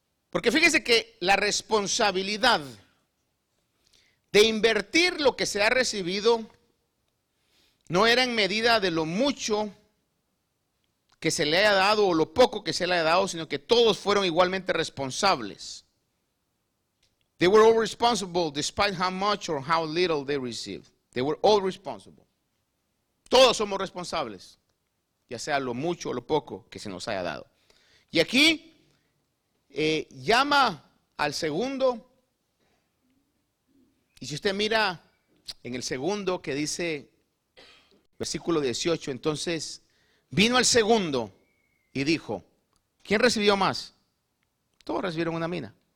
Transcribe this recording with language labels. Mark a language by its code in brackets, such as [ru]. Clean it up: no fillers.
[es] Porque fíjese que la responsabilidad de invertir lo que se ha recibido no era en medida de lo mucho que se le haya dado o lo poco que se le haya dado, sino que todos fueron igualmente responsables. [en] They were all responsible despite how much or how little they received. They were all responsible. [es] Todos somos responsables, ya sea lo mucho o lo poco que se nos haya dado. Y aquí llama al segundo. Y si usted mira en el segundo que dice versículo 18, entonces vino al segundo y dijo, ¿quién recibió más? Todos recibieron una mina.